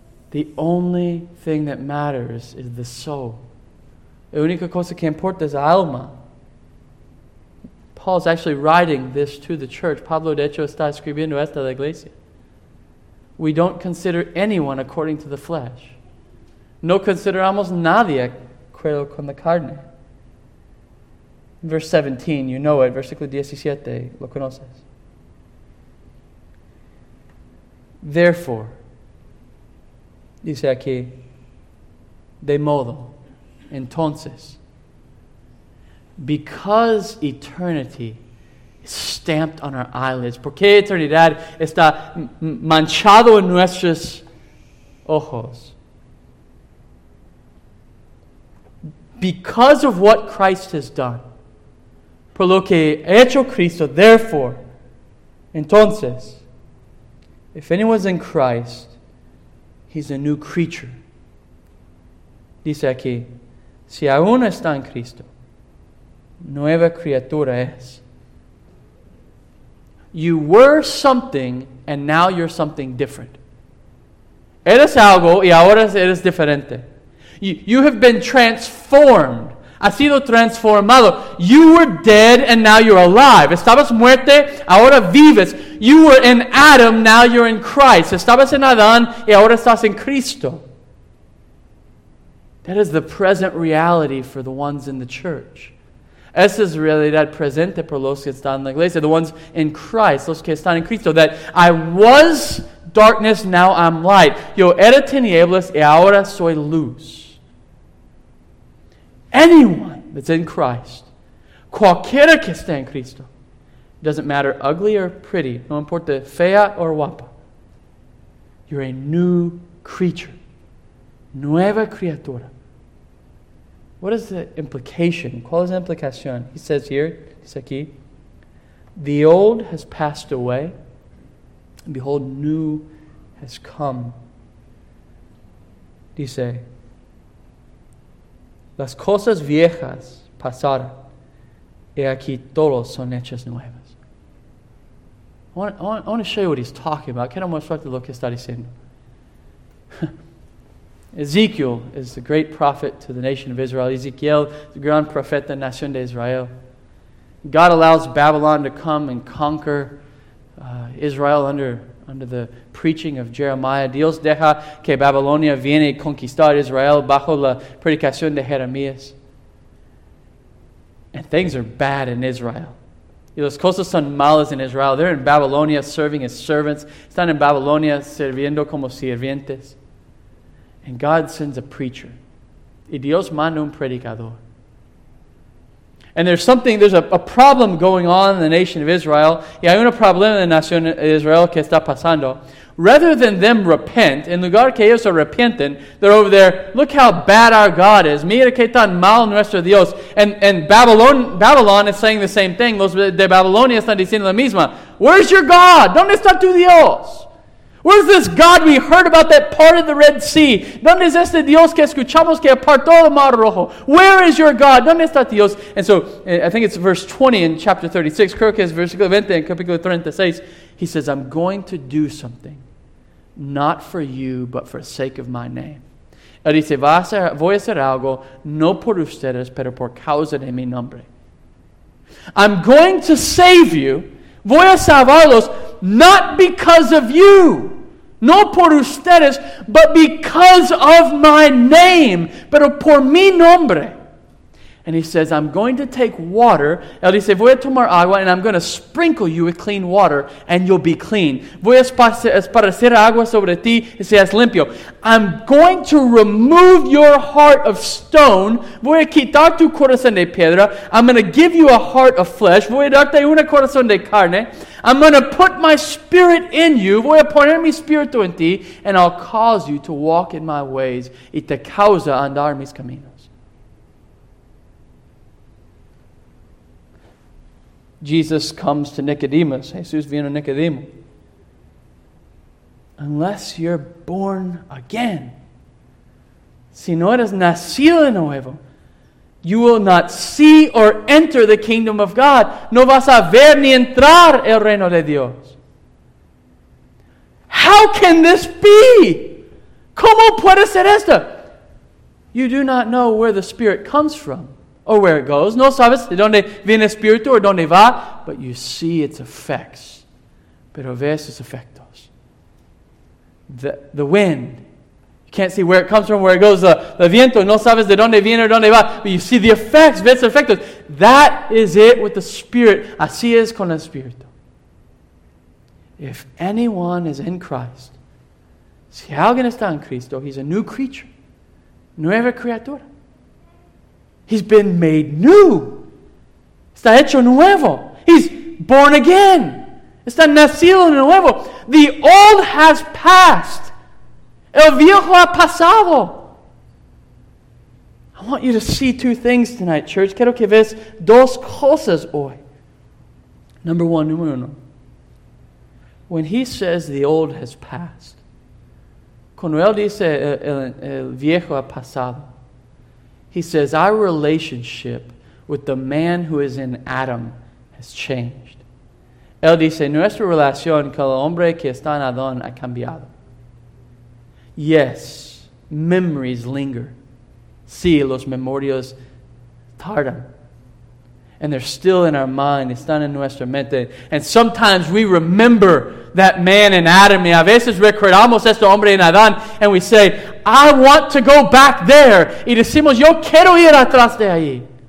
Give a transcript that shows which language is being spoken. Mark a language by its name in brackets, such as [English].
[English] The only thing that matters is the soul. [Spanish] La única cosa que importa es alma. [English] Paul's actually writing this to the church. [Spanish] Pablo de hecho está escribiendo esto a la iglesia. [English] We don't consider anyone according to the flesh. [Spanish] No consideramos nadie creo con la carne. [English] Verse 17, you know it. [Spanish] Versículo 17, lo conoces. [English] Therefore, [Spanish] dice aquí, de modo, entonces, [English] because eternity is stamped on our eyelids, [Spanish] porque eternidad está manchado en nuestros ojos, [English] because of what Christ has done, [Spanish] por lo que ha hecho Cristo, [English] therefore, [Spanish] entonces, [English] if anyone's in Christ, he's a new creature. [Spanish] Dice aquí, si aún está en Cristo, nueva criatura es. [English] You were something, and now you're something different. [Spanish] Eres algo, y ahora eres diferente. [English] You have been transformed. [Spanish] Has sido transformado. [English] You were dead and now you're alive. [Spanish] Estabas muerte, ahora vives. [English] You were in Adam, now you're in Christ. [Spanish] Estabas en Adán y ahora estás en Cristo. [English] That is the present reality for the ones in the church. [Spanish] Esa es realidad presente por los que están en la iglesia. [English] The ones in Christ, [Spanish] los que están en Cristo. [English] That I was darkness, now I'm light. [Spanish] Yo era tinieblas y ahora soy luz. [English] Anyone that's in Christ, [Spanish] cualquiera que esté en Cristo, [English] doesn't matter ugly or pretty, [Spanish] no importa fea or guapa, [English] you're a new creature, [Spanish] nueva criatura. [English] What is the implication? [Spanish] ¿Cuál es la implicación? [English] He says here, [Spanish] dice aquí, [English] the old has passed away, and behold, new has come. [Spanish] Dice, las cosas viejas pasaron, y aquí todos son hechas nuevas. [English] I want to show you what he's talking about. [Spanish] Quiero mostrarte lo que está diciendo. [English] Ezekiel is the great prophet to the nation of Israel. Ezekiel, the [Spanish] gran profeta nación de Israel. [English] God allows Babylon to come and conquer Israel under the preaching of Jeremiah. [Spanish] Dios deja que Babilonia viene conquistar Israel bajo la predicación de Jeremías. [English] And things are bad in Israel. [Spanish] Y las cosas son malas in Israel. [English] They're in Babylonia serving as servants. [Spanish] Están en Babilonia sirviendo como sirvientes. [English] And God sends a preacher. [Spanish] Y Dios manda un predicador. [English] And there's something, there's a problem going on in the nation of Israel. [Spanish] Y hay un problema en la nación de Israel que está pasando. [English] Rather than them repent, [Spanish] en lugar que ellos arrepienten, [English] they're over there, look how bad our God is. [Spanish] Mira que tan mal nuestro Dios. [English] And Babylon is saying the same thing. [Spanish] Los de Babilonia están diciendo la misma. [English] Where's your God? [Spanish] ¿Dónde está tu Dios? [English] Where's this God we heard about that parted the Red Sea? [Spanish] ¿Dónde es este Dios que escuchamos que apartó el Mar Rojo? [English] Where is your God? [Spanish] ¿Dónde está Dios? [English] And so, I think it's verse 20 in chapter 36. [Spanish] Creo que es versículo 20 en capítulo 36. [English] He says, I'm going to do something, not for you, but for sake of my name. [Spanish] Él dice, voy a hacer algo, no por ustedes, pero por causa de mi nombre. [English] I'm going to save you, [Spanish] voy a salvarlos, [English] not because of you, [Spanish] no por ustedes, [English] but because of my name, [Spanish] pero por mi nombre. [English] And he says, I'm going to take water. [Spanish] Él dice, voy a tomar agua [English] and I'm going to sprinkle you with clean water and you'll be clean. [Spanish] Voy a esparcir agua sobre ti y seas limpio. [English] I'm going to remove your heart of stone. [Spanish] Voy a quitar tu corazón de piedra. [English] I'm going to give you a heart of flesh. [Spanish] Voy a darte un corazón de carne. [English] I'm going to put my spirit in you. [Spanish] Voy a poner mi espíritu en ti [English] and I'll cause you to walk in my ways [Spanish] y te causa andar mis caminos. [English] Jesus comes to Nicodemus. [Spanish] Jesús vino a Nicodemo. [English] Unless you're born again, [Spanish] si no eres nacido de nuevo, [English] you will not see or enter the kingdom of God. [Spanish] No vas a ver ni entrar el reino de Dios. [English] How can this be? [Spanish] ¿Cómo puede ser esto? [English] You do not know where the Spirit comes from. Or where it goes. [Spanish] No sabes de donde viene el Espíritu or donde va. [English] But you see its effects. [Spanish] Pero ves sus efectos. [English] The wind. You can't see where it comes from, where it goes. The viento. [Spanish] No sabes de donde viene or donde va. [English] But you see the effects. [Spanish] Ves sus efectos. [English] That is it with the Spirit. [Spanish] Así es con el Espíritu. [English] If anyone is in Christ. [Spanish] Si alguien está en Cristo, [English] he's a new creature. [Spanish] Nueva criatura. [English] He's been made new. [Spanish] Está hecho nuevo. [English] He's born again. [Spanish] Está nacido nuevo. [English] The old has passed. [Spanish] El viejo ha pasado. [English] I want you to see two things tonight, church. [Spanish] Quiero que veas dos cosas hoy. [English] Number one, [Spanish] número uno. [English] When he says the old has passed, [Spanish] cuando él dice el viejo ha pasado, [English] he says, our relationship with the man who is in Adam has changed. [Spanish] Él dice, nuestra relación con el hombre que está en Adán ha cambiado. [English] Yes, memories linger. [Spanish] Sí, los memorios tardan. [English] And they're still in our mind. [Spanish] Están en nuestra mente. [English] And sometimes we remember that man in Adam. [Spanish] Y a veces recordamos este hombre en Adán. [English] And we say, I want to go back there. [Spanish] Y decimos, yo quiero ir atrás de allí.